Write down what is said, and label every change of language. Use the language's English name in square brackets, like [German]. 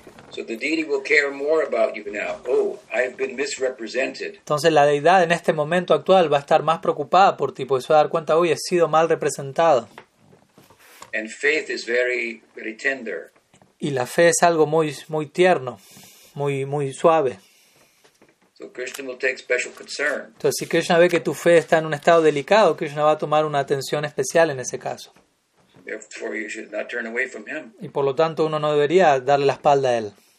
[English] So the deity will care more about you now. Oh, I have been misrepresented. [Spanish] Entonces la deidad en este momento actual va a estar más preocupada por ti, porque se va a dar cuenta, uy, he sido mal representado. [English] And faith is very, very tender. [Spanish] Y la fe es algo muy, muy tierno, muy, muy suave. [English] So Krishna will take special concern. [Spanish] Entonces si Krishna ve que tu fe está en un estado delicado, Krishna va a tomar una atención especial en ese caso. [English] Therefore, you should not turn away from him. [Spanish] Y por lo tanto, uno no debería darle la espalda a él.